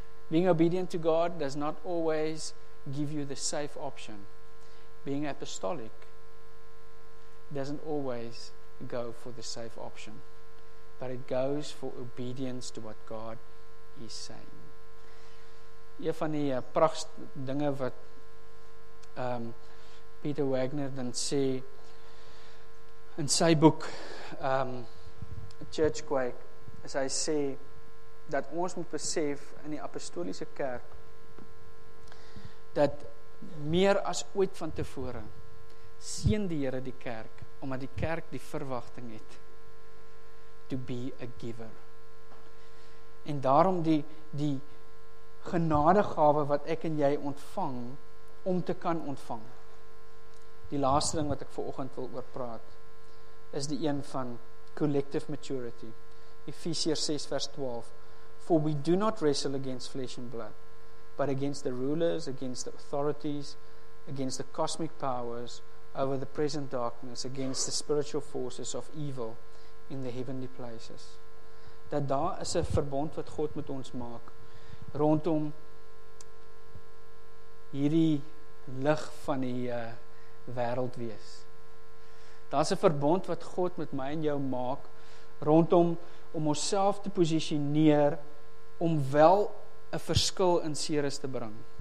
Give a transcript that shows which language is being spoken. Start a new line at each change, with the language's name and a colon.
English: Being obedient to God does not always give you the safe option. Being apostolic doesn't always go for the safe option, but it goes for obedience to what God is saying.
Afrikaans: Een van die pragtigste dinge wat Peter Wagner dan sê in sy boek Churchquake, is hy sê dat ons moet besef in die apostoliese kerk dat meer as ooit van tevore seën die Here die kerk, omdat die kerk die verwagting het
English: to be a giver.
Afrikaans: En daarom die genadegawe wat ek en jy ontvang om te kan ontvang. Die laaste ding wat ek vanoggend wil oor praat is die een van
English: collective maturity.
Afrikaans: Efesiërs 6 vers 12.
English: For we do not wrestle against flesh and blood, but against the rulers, against the authorities, against the cosmic powers over the present darkness, against the spiritual forces of evil in the heavenly places.
Afrikaans: Dat daar is 'n verbond wat God met ons maak rondom hierdie lig van die wêreld wees. Daar's 'n verbond wat God met my en jou maak rondom om onsself te posisioneer om wel 'n verskil in Ceres te bring.